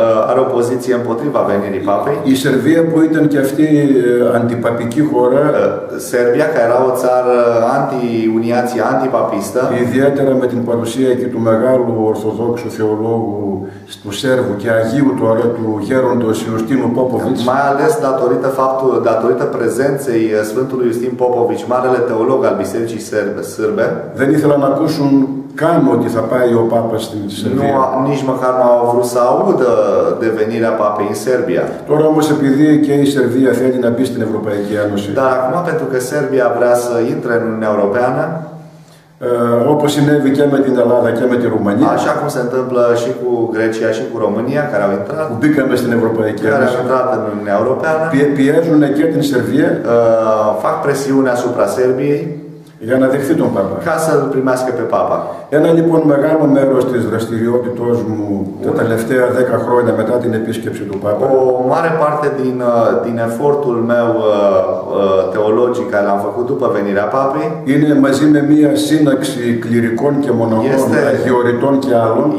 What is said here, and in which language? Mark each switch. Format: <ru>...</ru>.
<ro>are o poziție împotriva venirii Papei.</ro> <el>Η Σερβία που ήταν και αυτή αντιπαπική χώρα,</el> <ro>Σερβία, care era o țară anti-uniație, anti-papistă,</ro> <el>ιδιαίτερα με την παρουσία εκεί του μεγάλου ορθοδόξου θεολόγου του Σέρβου και Αγίου του Αρέτου Γέροντος Ιουστίνου Πόποβιτς.</el> <ro>Mai ales datorită prezenței Sfântului Ιουστίν Πόποβιτς, marele teolog al Bisericii Sârbe.</ro> <el>Δεν ήθελα να ακούσουν καν ότι θα πάει ο Πάπας στην Σερβία.</el> <ro>Nici măcar nu au vrut să audă de venirea Papei în Serbia.</ro> <el>Τώρα όμως, επειδή και η Σερβία θέλει να μπει στην Ευρωπαϊκή Ένωση.</el> <ro>Dar acum, pentru că Serbia vrea să intre în Uniunea Europeană,</ro> <el>όπως συνέβη και με την Ελλάδα και με τη Ρουμανία,</el> <ro>așa cum se întâmplă și cu Grecia și cu România, care au intrat,</ro> <el>μπήκαμε στην Ευρωπαϊκή Ένωση,</el> <ro>care au intrat în Uniunea Europeană,</ro> <el>πιέζουν και την Σερβία,</el> <ro>fac presiune asupra Serbiei,</ro> <el>για να δεχθεί τον Πάπα.</el> <ro>Ca să-l primească pe Papa.</ro> <el>Ένα λοιπόν μεγάλο μέρος της δραστηριότητός μου τα τελευταία 10 χρόνια μετά την επίσκεψη του Πάπα.</el> <ro>O mare parte din efortul meu teologic care l-am făcut după venirea Papei</ro> <el>είναι μαζί με μία σύναξη κληρικών και μοναχών, αγιοριτών και άλλων.</el>